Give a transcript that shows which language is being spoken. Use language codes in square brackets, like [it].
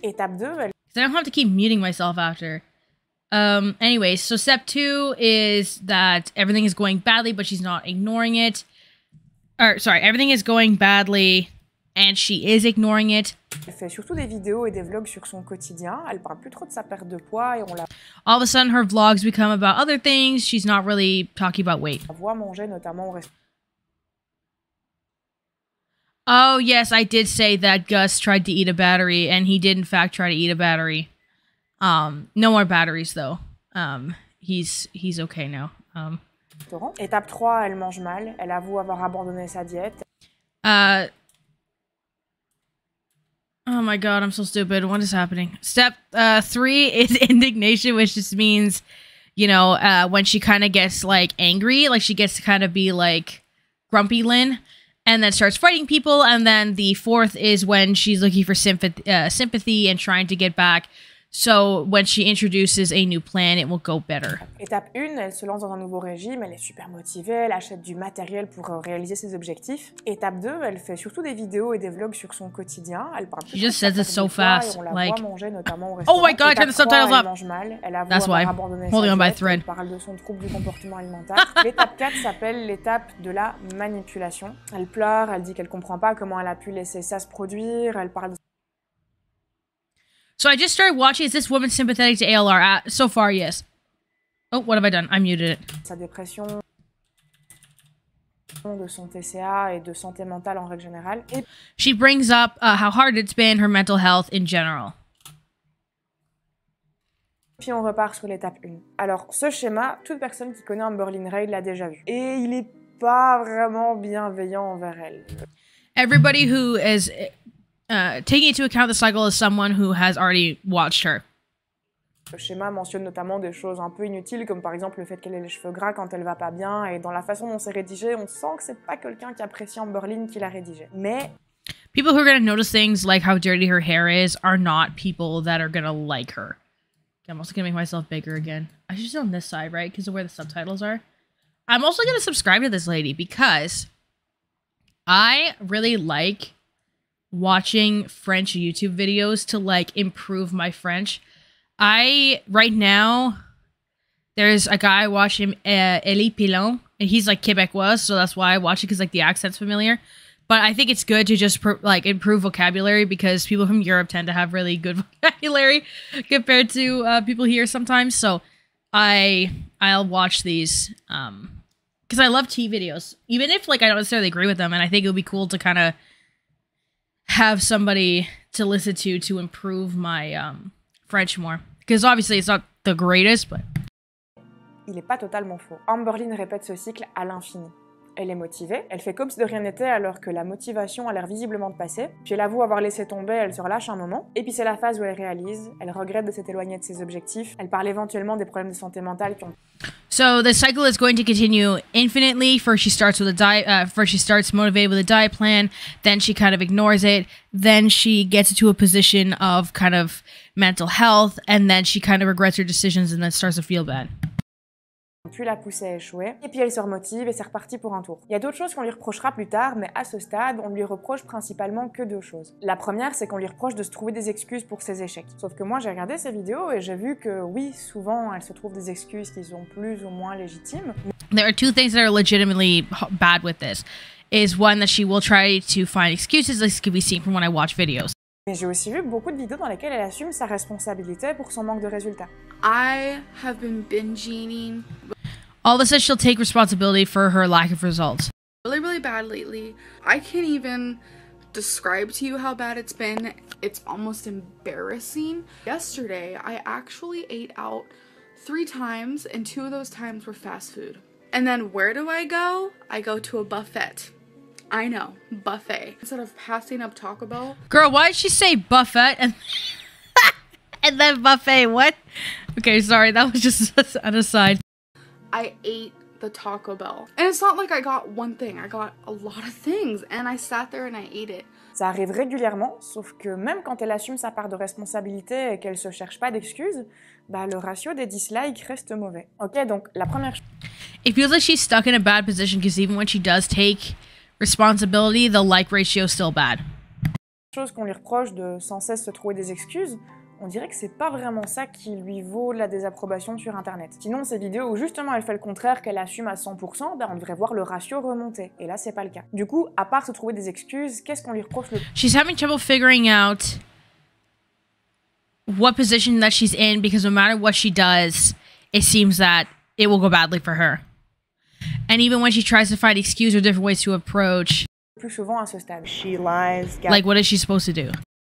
[en] I don't have to keep muting myself after. Anyways, so step two is that everything is going badly, but she's not ignoring it. Or, sorry, everything is going badly, and she is ignoring it. [fr] Elle fait surtout des vidéos et des vlogs sur son quotidien. Elle parle plus trop de sa perte de poids et on la... [en] All of a sudden, her vlogs become about other things. She's not really talking about weight. [fr] On voit manger notamment au restaurant. [en] Oh, yes, I did say that Gus tried to eat a battery, and he did, in fact, try to eat a battery. No more batteries, though. He's okay now. [fr] Étape 3, elle mange mal. Elle avoue avoir abandonné sa diète. [en] Oh, my God, I'm so stupid. What is happening? Step 3 is indignation, which just means, you know, when she kind of gets, like, angry. Like, she gets to kind of be, like, grumpy Lynn. And then starts fighting people, and then the fourth is when she's looking for sympathy and trying to get back. So when she introduces a new plan, it will go better. [fr] Étape 1, elle se lance dans un nouveau régime, elle est super motivée, elle achète du matériel pour réaliser ses objectifs. Étape 2, elle fait surtout des vidéos et des vlogs sur son quotidien. Elle parle [en] just says it so fast, like, [fr] manger, notamment au [en] restaurant. Oh my god, turn the subtitles up! That's why, holding on by a thread. [fr] Parle de son trouble du comportement alimentaire. L'étape 4 s'appelle l'étape de la manipulation. Elle pleure, elle dit qu'elle comprend pas comment elle a pu laisser ça se produire, elle parle de... [en] So I just started watching, is this woman sympathetic to ALR? So far, yes. Oh, what have I done? I muted it. [fr] Sa dépression, de son TCA et de santé mentale en règle générale. Et... [en] She brings up how hard it's been, her mental health in general. [fr] Puis on repart sur l'étape 1. Alors, ce schéma, toute personne qui connaît Amberlynn Reid l'a déjà vu. Et il est pas vraiment bienveillant envers elle. [en] Everybody who is... taking into account the cycle is someone who has already watched her. [fr] Le schéma mentionne notamment des choses un peu inutiles, comme par exemple le fait qu'elle ait les cheveux gras quand elle va pas bien, et dans la façon dont c'est rédigé, on sent que c'est pas quelqu'un qui apprécie Amberlynn qui l'a rédigé. Mais... [en] People who are gonna notice things like how dirty her hair is are not people that are gonna like her. Okay, I'm also gonna make myself bigger again. I should sit on this side, right? Because of where the subtitles are. I'm also gonna subscribe to this lady because I really like... watching French YouTube videos to like improve my French. I right now there's a guy watching Elie Pilon, and he's like Quebecois, so that's why I watch it, because like the accent's familiar. But I think it's good to just like improve vocabulary, because people from Europe tend to have really good vocabulary compared to people here sometimes. So I'll watch these because I love tea videos, even if like I don't necessarily agree with them, and I think it would be cool to kind of have somebody to listen to improve my French more. Because obviously it's not the greatest, but... [fr] Il est pas totalement faux. Amberlynn répète ce cycle à l'infini. Elle est motivée, elle fait comme si de rien n'était alors que la motivation a l'air visiblement de passer. Puis elle avoue avoir laissé tomber, elle se relâche un moment. Et puis c'est la phase où elle réalise, elle regrette de s'être éloignée de ses objectifs. Elle parle éventuellement des problèmes de santé mentale qui ont... [en] So the cycle is going to continue infinitely. First she starts with a diet, first she starts motivated with a diet plan, then she kind of ignores it, then she gets into a position of kind of mental health, and then she kind of regrets her decisions and then starts to feel bad. [fr] Puis la pousse à échouer, et puis elle se remotive et c'est reparti pour un tour. Il y a d'autres choses qu'on lui reprochera plus tard, mais à ce stade, on lui reproche principalement que deux choses. La première, c'est qu'on lui reproche de se trouver des excuses pour ses échecs. Sauf que moi, j'ai regardé ses vidéos et j'ai vu que oui, souvent, elle se trouve des excuses qui sont plus ou moins légitimes. [en] There are two things that are legitimately bad with this. Is one that she will try to find excuses, this could be seen from when I watch videos. [fr] Mais j'ai aussi vu beaucoup de vidéos dans lesquelles elle assume sa responsabilité pour son manque de résultats. [en] I have been binge eating. All of a sudden, she'll take responsibility for her lack of results. Really, really bad lately. I can't even describe to you how bad it's been. It's almost embarrassing. Yesterday, I actually ate out 3 times, and 2 of those times were fast food. And then where do I go? I go to a buffet. I know, buffet. Instead of passing up Taco Bell. Girl, why did she say buffet and, and then buffet? What? Okay, sorry, that was just an aside. I ate the Taco Bell. And it's not like I got one thing, I got a lot of things, and I sat there and I ate it. [fr] Ça arrive régulièrement, sauf que même quand elle assume sa part de responsabilité et qu'elle se cherche pas d'excuses, bah le ratio des dislikes reste mauvais. Ok, donc la première chose... [en] It feels like she's stuck in a bad position because even when she does take responsibility, the like ratio is still bad. [fr] Chose qu'on lui reproche de sans cesse se trouver des excuses, on dirait que c'est pas vraiment ça qui lui vaut la désapprobation sur internet. Sinon, ces vidéos où justement elle fait le contraire, qu'elle assume à 100%, ben on devrait voir le ratio remonter. Et là, c'est pas le cas. Du coup, à part se trouver des excuses, qu'est-ce qu'on lui reproche le... [en] She's having trouble figuring out what position that she's in, because no matter what she does, it seems that it will go badly for her. And even when she tries to find excuses or different ways to approach... [fr] Plus souvent à ce stade. [en] She lies... Like, what is she supposed to do?